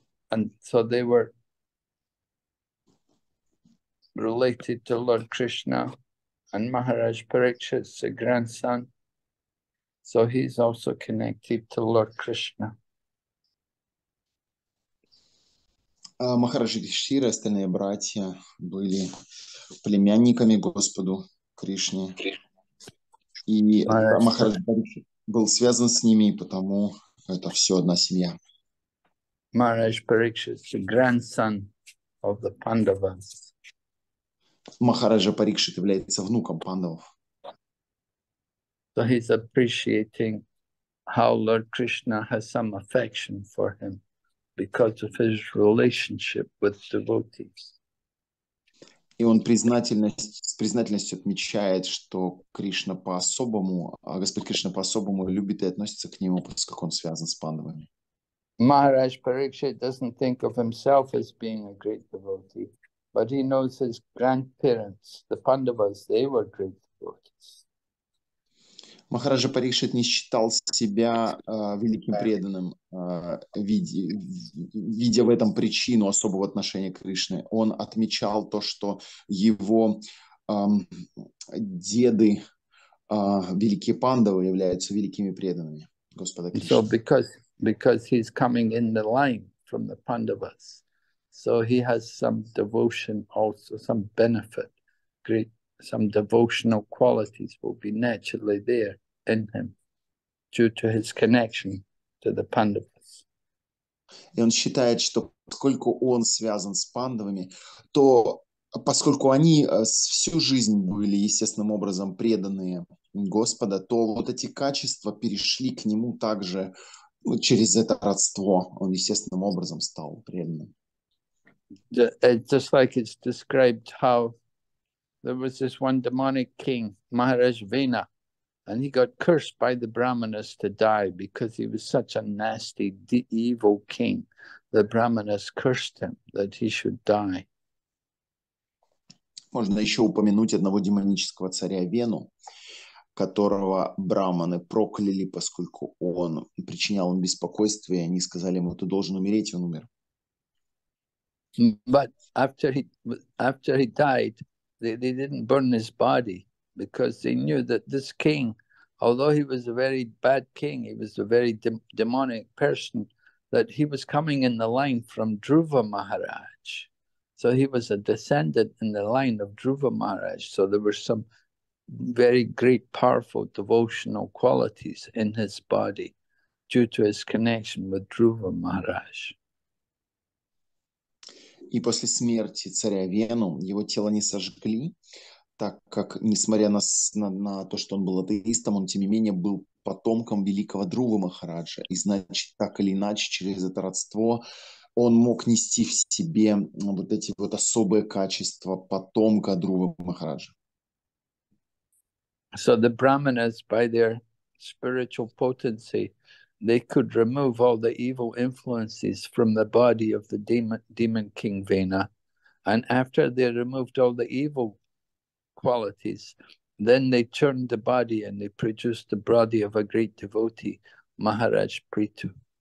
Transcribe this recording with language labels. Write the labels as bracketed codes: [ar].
[en] And so they were related to Lord Krishna, and Maharaj Parikshit's a grandson, so he's also connected to Lord Krishna. [ru] Махараджи Юдхиштхира и остальные братья были племянниками Господу Кришне. И Махараджи Парикшит был связан с ними, потому это все одна семья. [en] Maharaj Parikshit is the grandson of the Pandavas. [ru] Махараджа Парикшит является внуком Пандавов. [en] So he's appreciating how Lord Krishna has some affection for him because of his relationship with devotees. [ru] И он с признательностью отмечает, что Кришна по-особому, а Господь Кришна по-особому любит и относится к нему, поскольку он связан с пандавами. [en] Maharaj Parikshit doesn't think of himself as being a great devotee, but he knows his grandparents, the Pandavas, they were great devotees. [ru] Махараджа Парикшит не считал себя великим преданным, видя в этом причину особого отношения к Кришне. Он отмечал то, что его деды, великие пандавы, являются великими преданными Господа Кришны. [en] So because he's coming in the line from the Pandavas, so he has some devotion also, some benefit, great, some devotional qualities will be naturally there in him due to his connection to the Pandavas. [ru] И он считает, что поскольку он связан с пандавами, то поскольку они всю жизнь были естественным образом преданные Господа, то вот эти качества перешли к нему также, ну, через это родство. Он естественным образом стал преданным. [en] It's just like it's described how there was this one demonic king, Maharaj Vena. And he got cursed by the Brahmanas to die because he was such a nasty, evil king. The Brahmanas cursed him that he should die. [ru] Можно еще упомянуть одного демонического царя Вену, которого браманы прокляли, поскольку он причинял им беспокойство, и они сказали ему: «Ты должен умереть», и он умер. [en] But after he died, they didn't burn his body. Because they knew that this king, although he was a very bad king, he was a very demonic person, that he was coming in the line from Dhruva Maharaj. So he was a descendant in the line of Dhruva Maharaj. So there were some very great, powerful devotional qualities in his body due to his connection with Dhruva Maharaj. [ru] И после смерти царя Вену его тело не сожгли, так как, несмотря на то, что он был атеистом, он, тем не менее, был потомком великого Друва Махараджа. И, значит, так или иначе, через это родство он мог нести в себе вот эти вот особые качества потомка Друва Махараджа. [en] So the brahmanas, by their spiritual potency, they could remove all the evil influences from the body of the demon king Vena. And after they removed all the evil qualities, then they turned the body and they produced the body of a great devotee, Maharaj Prithu.